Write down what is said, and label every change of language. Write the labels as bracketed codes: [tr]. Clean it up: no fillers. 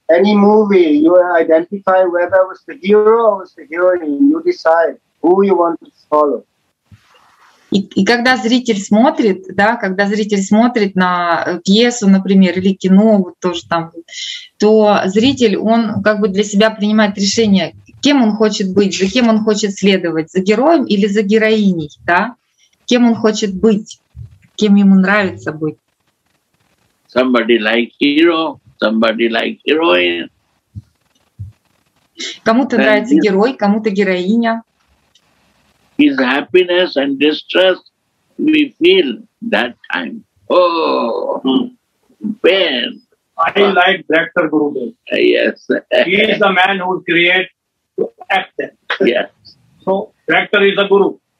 [en] Any movie, you identify whether it was the hero or was the heroine. You decide who you want to follow. [ru] И когда зритель смотрит, да, когда зритель смотрит на пьесу, например, или кино, вот тоже там, то зритель, он как бы для себя принимает решение, кем он хочет быть, за кем он хочет следовать, за героем или за героиней, да? Кем он хочет быть, кем ему нравится быть. [en] Somebody like hero, somebody like heroine. [ru] Кому-то нравится герой, кому-то героиня. [en] His happiness and distress we feel that time. Oh, Ben! I like director Gurudev. Yes. He is the man who creates to act. Yes. So director is a guru.